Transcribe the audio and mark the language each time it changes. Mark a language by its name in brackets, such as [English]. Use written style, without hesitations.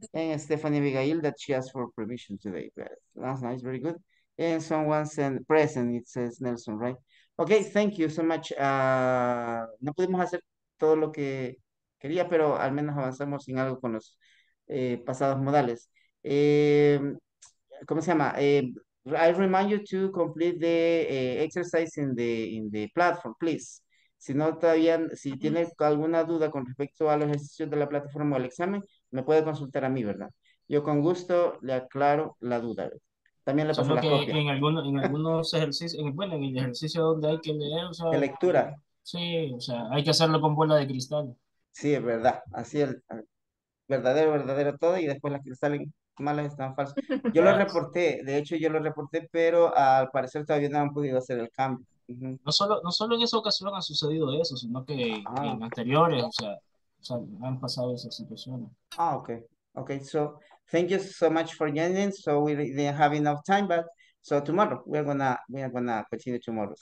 [English] And Stephanie Abigail, that she asked for permission today. Last night, very good. And someone said present, it says Nelson, right? Okay, thank you so much. [Spanish] No pudimos hacer todo lo que quería, pero al menos avanzamos en algo con los pasados modales. ¿Cómo se llama? [English] I remind you to complete the exercise in the platform, please. [Spanish] Si no todavía, si tiene alguna duda con respecto a los ejercicios de la plataforma o el examen, me puede consultar a mí, ¿verdad? Yo con gusto le aclaro la duda. También le paso la copia. En algunos ejercicios, bueno, en el ejercicio donde hay que leer, o sea, de lectura. Sí, o sea, hay que hacerlo con bola de cristal. Sí, es verdad. Así es. Verdadero todo y después las que salen malas están falsas. Yo lo reporté, de hecho yo lo reporté, pero al parecer todavía no han podido hacer el cambio. No solo en esa ocasión ha sucedido eso, sino que en anteriores, o sea, han pasado esas situaciones. [English] Ah, okay. So thank you so much for joining. So we didn't have enough time, but so tomorrow we're gonna continue tomorrow.